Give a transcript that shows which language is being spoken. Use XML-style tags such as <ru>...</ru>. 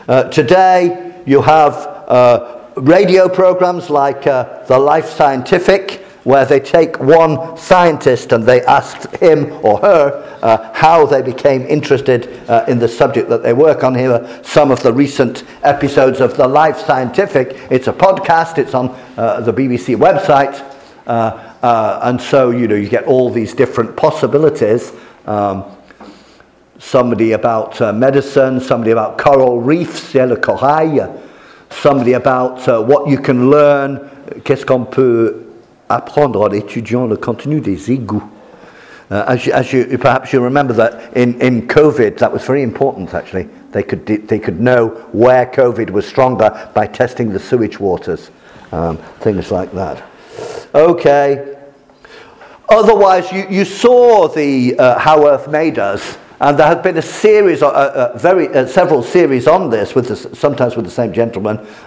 <en>Today, you have radio programs like The Life Scientific, where they take one scientist and they ask him or her how they became interested in the subject that they work on. Here are some of the recent episodes of The Life Scientific. It's a podcast, it's on the BBC website. And so, you know, you get all these different possibilities. Somebody about medicine, somebody about coral reefs, le corail, somebody about what you can learn,</en> <fr>qu'est-ce qu'on peut apprendre en étudiant le contenu des égouts.</fr> <en>As you remember that in COVID, that was very important, actually. They could know where COVID was stronger by testing the sewage waters, things like that. Okay. Otherwise, you saw the How Earth Made Us, and there have been a series, several series on this, sometimes with the same gentleman.</en>